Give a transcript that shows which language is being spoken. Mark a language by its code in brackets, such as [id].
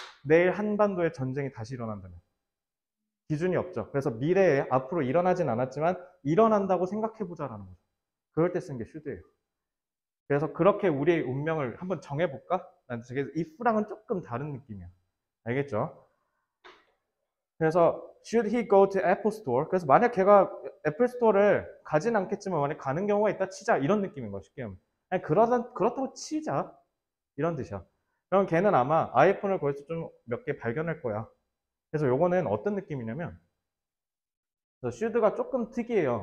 [ko] 내일 한반도에 전쟁이 다시 일어난다면 기준이 없죠. 그래서 미래에 앞으로 일어나진 않았지만 일어난다고 생각해보자라는 거죠. 그럴 때 쓰는 게 should예요. 그래서 그렇게 우리의 운명을 한번 정해볼까? 난 저게 if랑은 조금 다른 느낌이야. 알겠죠? [en] 그래서 should he go to Apple Store? [ko] 그래서 만약 걔가 애플 스토어를 가진 않겠지만 만약 가는 경우가 있다 치자 이런 느낌인 거죠. 쉽게 말하면. 그렇다고 치자. 이런 뜻이야. 그럼 걔는 아마 아이폰을 거기서 좀몇개 발견할 거야. 그래서 요거는 어떤 느낌이냐면, 그래서 should가 조금 특이해요.